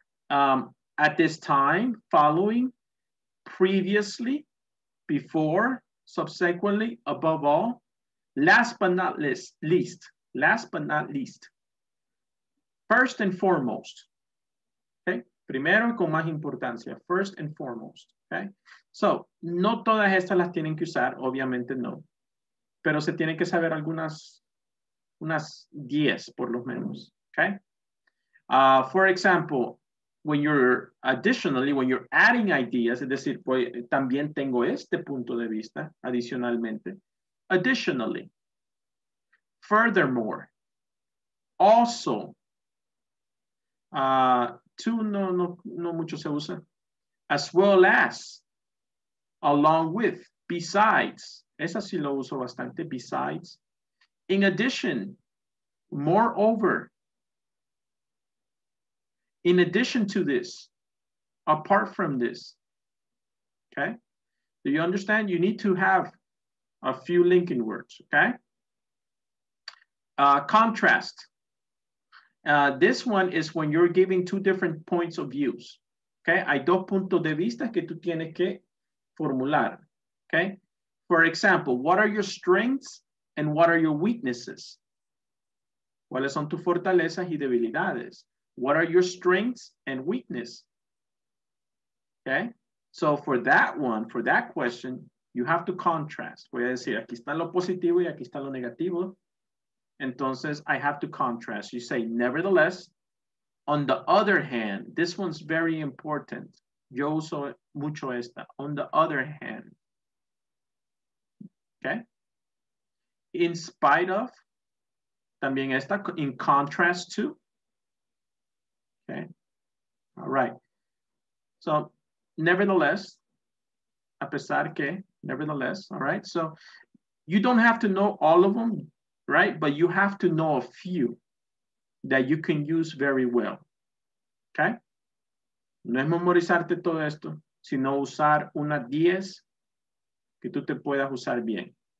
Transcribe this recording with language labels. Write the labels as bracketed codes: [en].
[en] At this time, following, previously, before, subsequently, above all, last but not least, last but not least, first and foremost. [es] Primero y con más importancia, [en] first and foremost, okay? So, [es] no todas estas las tienen que usar, obviamente no. Pero se tienen que saber algunas, unas 10 por lo menos, okay? [en] For example, when you're additionally, when you're adding ideas, [es] es decir, voy, también tengo este punto de vista adicionalmente. [en] Additionally, furthermore, also, [es] no mucho se usa. [en] As well as, along with, besides. [es] Esa sí lo uso bastante, besides. [en] In addition, moreover. In addition to this, apart from this. Okay? Do you understand? You need to have a few linking words, okay? Contrast. This one is when you're giving two different points of views, okay? [es] Hay dos puntos de vista que tú tienes que formular, okay? [en] For example, what are your strengths and what are your weaknesses? [es] ¿Cuáles son tus fortalezas y debilidades? [en] What are your strengths and weakness? Okay? So for that one, for that question, you have to contrast. [es] Voy a decir, aquí está lo positivo y aquí está lo negativo. Entonces, [en] I have to contrast. You say, nevertheless, on the other hand, this one's very important. [es] Yo uso mucho esta, [en] on the other hand. Okay? In spite of, [es] también esta, [en] in contrast to. Okay? All right. So, nevertheless, [es] a pesar que, [en] nevertheless, all right? So, you don't have to know all of them. Right, but you have to know a few that you can use very well. [es] Okay, no es memorizarte todo esto, sino usar unas 10 que tú te puedas usar bien.